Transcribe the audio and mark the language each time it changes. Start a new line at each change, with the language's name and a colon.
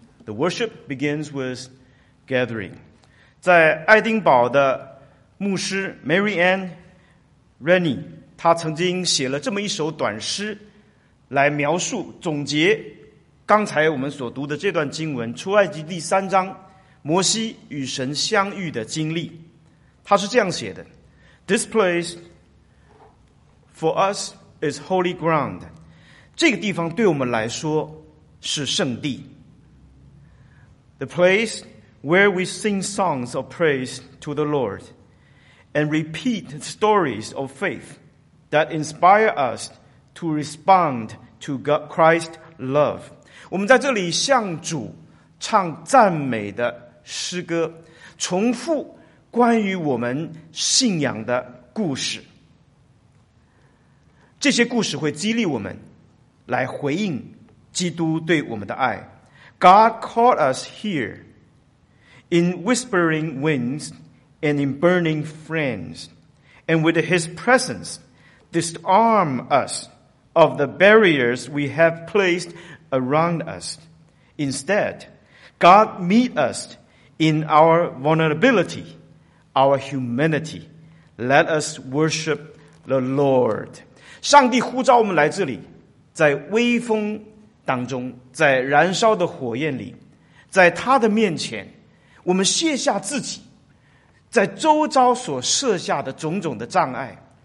English: The worship begins with gathering.
Chinese: 在爱丁堡的牧师 Mary Ann Rennie 他曾经写了这么一首短诗来描述总结刚才我们所读的这段经文，出埃及第三章摩西与神相遇的经历。他是这样写的，
English: This place for us is holy ground.
Chinese: 这个地方对我们来说是圣地。
English: The place where we sing songs of praise to the Lord and repeat stories of faith that inspire us to respond to Christ's love.
Chinese: 我们在这里向主唱赞美的诗歌，重复关于我们信仰的故事，这些故事会激励我们来回应基督对我们的爱。
English: God called us here in whispering winds and in burning flames, and with his presence disarm us of the barriers we have placed around us. Instead, God meet us in our vulnerability, our humanity. Let us worship the Lord.
Chinese: 上帝呼召我们来这里，在微风当中，在燃烧的火焰里，在他的面前，我们卸下自己，在周遭所设下的种种的障碍。